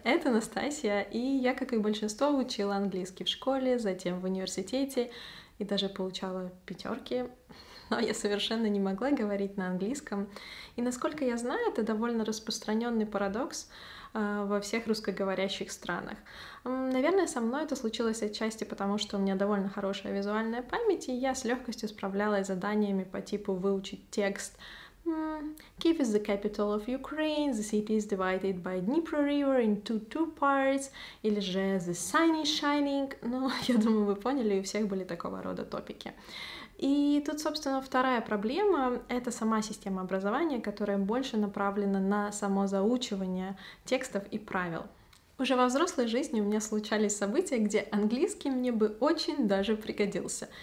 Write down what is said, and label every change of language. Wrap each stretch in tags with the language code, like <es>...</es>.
<ru>Это Настасья, и я, как и большинство, учила английский в школе, затем в университете и даже получала пятерки, но я совершенно не могла говорить на английском. И насколько я знаю, это довольно распространенный парадокс во всех русскоговорящих странах. Наверное, со мной это случилось отчасти потому, что у меня довольно хорошая визуальная память, и я с легкостью справлялась с заданиями по типу «выучить текст».</ru> <en>Kiev is the capital of Ukraine, the city is divided by Dnipro River into two parts,</en> <ru>или же</ru> <en>the sun is shining.</en> <ru>Ну, я думаю, вы поняли, у всех были такого рода топики. И тут, собственно, вторая проблема — это сама система образования, которая больше направлена на само заучивание текстов и правил. Уже во взрослой жизни у меня случались события, где английский мне бы очень даже пригодился.</ru>